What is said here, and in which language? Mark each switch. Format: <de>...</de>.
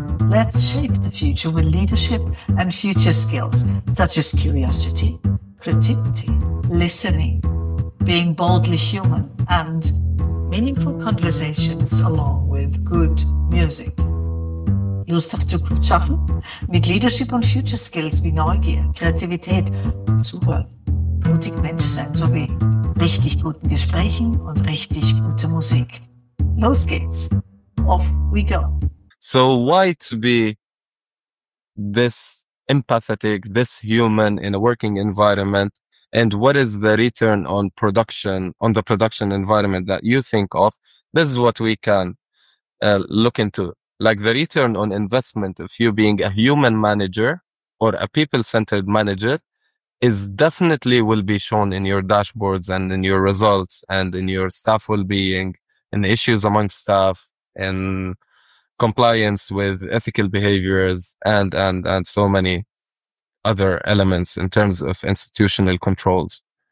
<en>Let's shape the future with leadership and future skills, such as curiosity, creativity, listening, being boldly human, and meaningful conversations along with good music.</en> <de>Lust auf Zukunft schaffen? Mit Leadership und Future Skills wie Neugier, Kreativität, Zuhören, mutig Mensch sein sowie richtig guten Gesprächen und richtig gute Musik. Los geht's.</de> <en>Off we go. So why to be this empathetic, this human in a working environment? And what is the return on production, on the production environment that you think of? This is what we can look into. Like the return on investment of you being a human manager or a people-centered manager is definitely will be shown in your dashboards and in your results and in your staff well-being and issues among staff and compliance with ethical behaviors and so many other elements in terms of institutional controls.</en>